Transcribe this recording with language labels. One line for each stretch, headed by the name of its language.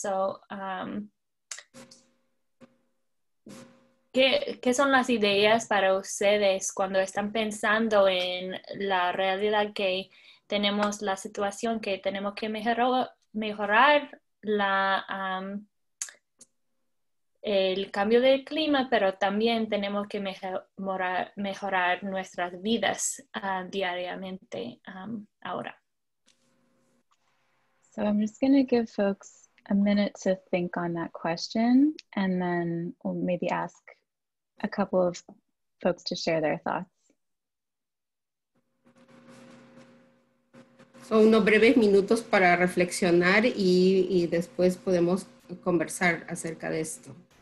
Spanish: So, ¿qué son las ideas para ustedes cuando están pensando en la realidad que tenemos, la situación que tenemos que mejorar la, el cambio del clima, pero también tenemos que mejorar nuestras vidas diariamente ahora?
English: So I'm just going to give folks a minute to think on that question, and then we'll maybe ask a couple of folks to share their thoughts.
Spanish: So, unos breves minutos para reflexionar y después podemos conversar acerca de esto.